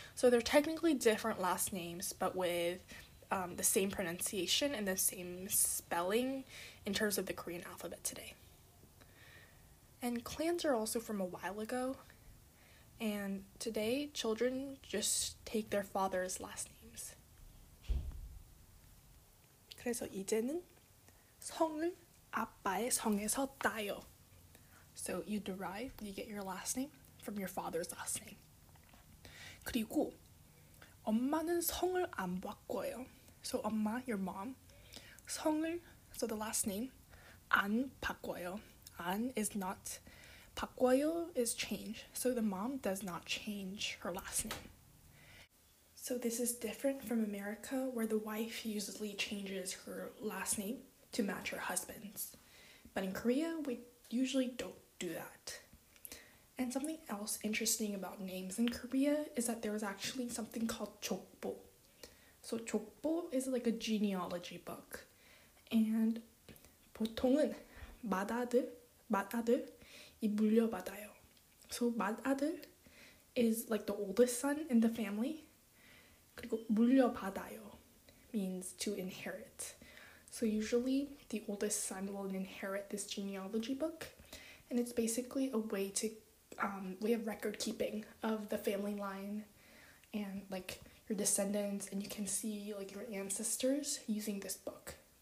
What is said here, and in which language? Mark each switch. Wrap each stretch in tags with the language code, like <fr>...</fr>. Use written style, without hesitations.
<en>So they're technically different last names, but with the same pronunciation and the same spelling in terms of the Korean alphabet today. And clans are also from a while ago. And today, children just take their father's last names.</en> <ko>그래서 이제는 성을 아빠의 성에서 따요.</ko> <en>So you derive, you get your last name from your father's last name.</en> <ko>그리고 엄마는 성을 안 바꿔요.</ko> <en>So 엄마, your mom, 성을, so the last name,</en> <ko>안 바꿔요.</ko> <en>안 is not, 바꿔요 is change. So the mom does not change her last name. So this is different from America, where the wife usually changes her last name to match her husband's. But in Korea, we usually don't do that. And something else interesting about names in Korea is that there is actually something called jokbo. So jokbo is like a genealogy book.</en> <ko>And 보통은 맏아들이 물려받아요.</ko> <en>So 맏아들 is like the oldest son in the family.</en> <ko>그리고 물려받아요</ko> <en>means to inherit. So usually the oldest son will inherit this genealogy book. And it's basically a way to we have record keeping of the family line and like your descendants, and you can see like your ancestors using this book.</en>